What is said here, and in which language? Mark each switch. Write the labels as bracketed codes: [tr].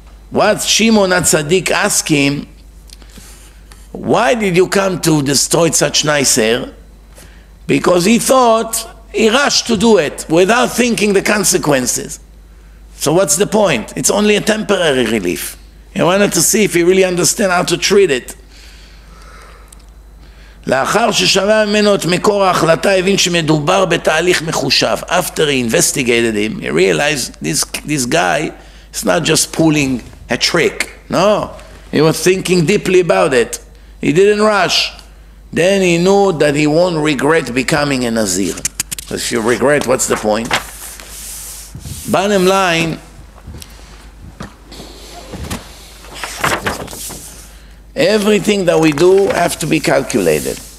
[en] What Shimon HaTzadik asked him, why did you come to destroy such nice hair? Because he thought, he rushed to do it without thinking the consequences. So what's the point? It's only a temporary relief. He wanted to see if he really understands how to treat it. [he] לאחר ששמע ממנו את מקור ההחלטה, הבין שמדובר בתהליך מחושב. [en] After he investigated him, he realized this guy is not just pulling a trick. No, he was thinking deeply about it. He didn't rush. Then he knew that he won't regret becoming a Nazir. If you regret, what's the point? Bottom line, everything that we do have to be calculated.